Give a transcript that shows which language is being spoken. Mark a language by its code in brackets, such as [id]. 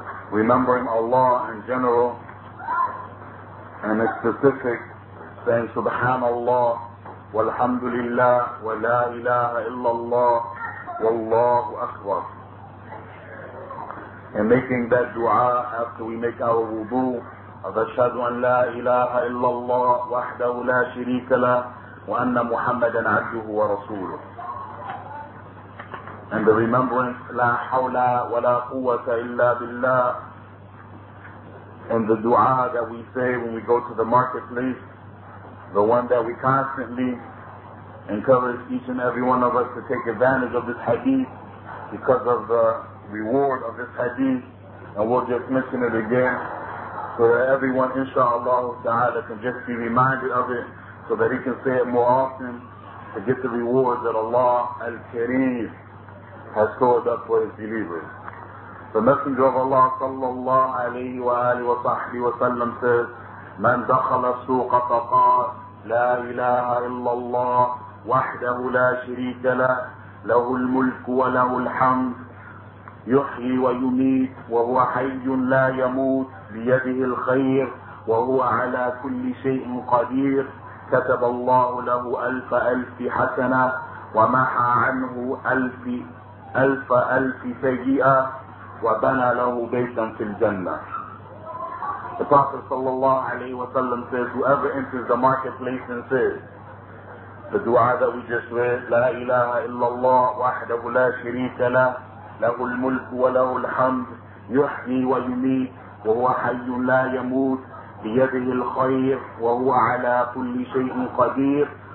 [en] remembering Allah in general, and in specific, saying Subhanallah, [ar] والحمد لله ولا إله إلا الله والله أكبر. [en] And making that dua after we make our wudu of [ar] أشهد أن لا إله إلا الله وحده لا شريك له وأن محمدا عبده ورسوله. [en] And the remembrance [ar] لا حول ولا قوة إلا بالله. [en] And the dua that we say when we go to the marketplace, the one that we constantly encourage each and every one of us to take advantage of this hadith because of the reward of this hadith. And we'll just mention it again so that everyone, inshallah ta'ala, can just be reminded of it so that he can say it more often to get the reward that Allah Al-Kareem has stored up for His believers. The Messenger of Allah sallallahu alayhi wa alihi wa sahbihi wa sallam says, [ar] من دخل السوق فقال لا إله إلا الله وحده لا شريك له له الملك وله الحمد يحيي ويميت وهو حي لا يموت بيده الخير وهو على كل شيء قدير كتب الله له ألف ألف حسنة ومحى عنه ألف سيئة وبنى له بيتا في الجنة. [en] The Prophet sallallahu alayhi wa sallam says, whoever enters the marketplace and says the dua that we just read, [ar] لا إله إلا الله وحده لا شريك له له الملك وله الحمد يحيي ويميت وهو حي لا يموت بيده الخير وهو على كل شيء قدير,